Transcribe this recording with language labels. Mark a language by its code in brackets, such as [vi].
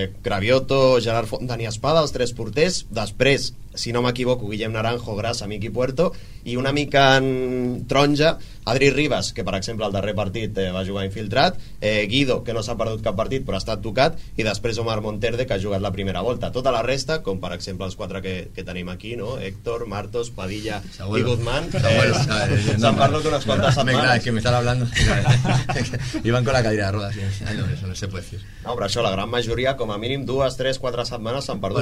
[ca] Cravioto, Gerard Font, Dani Espada, els tres porters, després, si no m'equivoco, Guillem Naranjo, Grasa, Miqui Puerto, i una mica en taronja, Adri Ribas, que per exemple el darrer partit va jugar infiltrat, Guido, que no s'ha perdut cap partit però ha estat tocat, i després Omar Monterde, que ha jugat la primera volta. Tota la resta, com per exemple els quatre que tenim aquí, no? Héctor, Martos, Padilla i Guzmán, s'han parlat unes quantes setmanes. [es] Claro, es que me están hablando. Iban con la cadira de rodas. No, eso no se puede decir. [ca] No, però això, la gran majoria, com a mínim dues, tres, quatre setmanes s'han perdut.